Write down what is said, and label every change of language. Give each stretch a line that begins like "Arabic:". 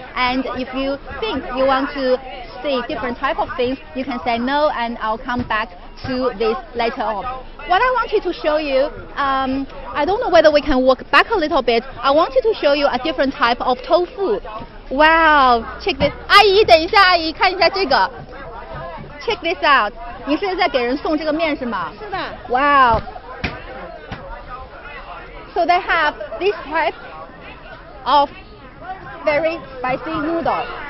English: And if you think you want to see different type of things, you can say no, and I'll come back. To this later on. What I wanted to show you, I don't know whether we can walk back a little bit. I wanted to show you a different type of tofu. Wow, check this.
Chinese: 阿姨，等一下，阿姨，看一下这个。
English: Check this out.
Chinese: 你是在给人送这个面是吗？是的。
English: Wow. So they have this type of very spicy noodle.